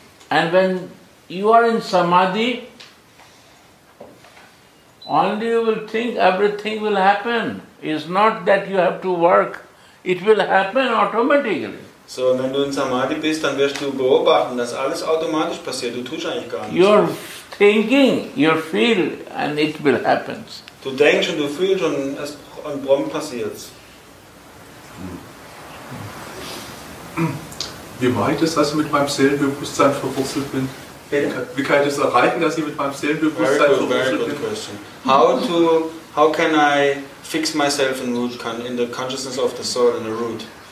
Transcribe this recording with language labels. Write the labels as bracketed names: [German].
[English] And when you are in Samadhi, only you will think everything will happen. It's not that you have to work. It will happen automatically. [German] So, wenn du in Samadhi bist, dann wirst du beobachten, dass alles automatisch passiert. Du tust eigentlich gar nichts. [English] You're thinking, you feel, and it will happen. [German] Du denkst und du fühlst und es und prompt passiert's. Wie mache ich das, dass ich mit meinem Seelenbewusstsein verwurzelt bin? Wie kann ich das erreichen, dass ich mit meinem Seelenbewusstsein verwurzelt bin? [English] Very good question. How can I fix myself in root, in the consciousness of the soul, in the root?